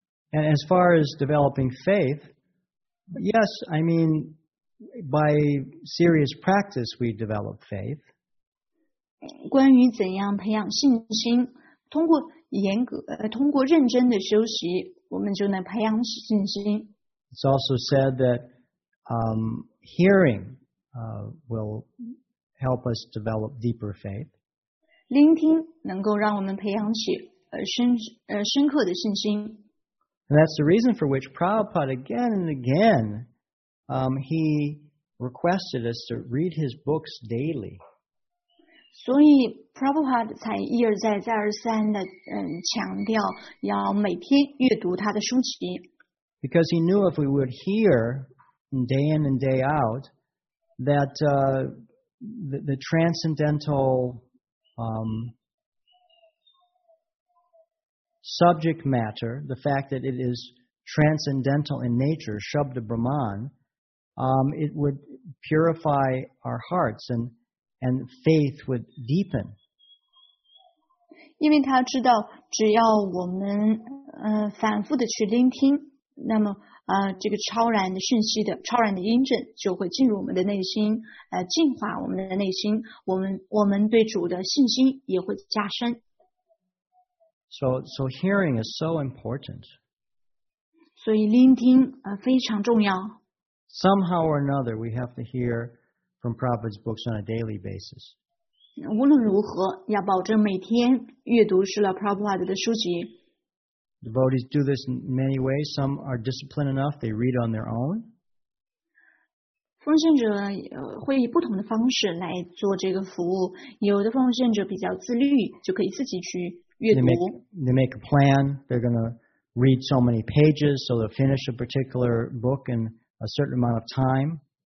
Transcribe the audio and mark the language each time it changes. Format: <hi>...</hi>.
<en>And as far as developing faith, yes, I mean, by serious practice, we develop faith.</en> <zh>关于怎样培养信心，通过认真的修习，我们就能培养信心。</zh> <en>It's also said that hearing will help us develop deeper faith.</en> <zh>聆听能够让我们培养起深刻的信心。</zh> <en>And that's the reason for which Prabhupada again and again he requested us to read his books daily.</en> <zh>所以 Prabhupada 才一而再再而三的强调要每天阅读他的书籍。</zh> <en>Because he knew if we would hear day in and day out that the transcendental subject matter, the fact that it is transcendental in nature, Shabda Brahman, it would purify our hearts and faith would deepen.</en> <zh>因为他知道只要我们反复的去聆听那么这个超然的讯息的超然的音阵就会进入我们的内心净化我们的内心我们对主的信心也会加深。</zh> <en>So hearing is so important.</en> <zh>所以聆听非常重要。</zh> <en>Somehow or another, we have to hear from Prabhupada's books on a daily basis.</en> <zh>无论如何要保证每天阅读是了 Prabhupada 的书籍。</zh> <en>Devotees do this in many ways. Some are disciplined enough, they read on their own.</en> <zh>奉献者会以不同的方式来做这个服务。有的奉献者比较自律，就可以自己去阅读。</zh> <en>They make a plan. They're going to read so many pages, so they'll finish a particular book in a certain amount of time.</en>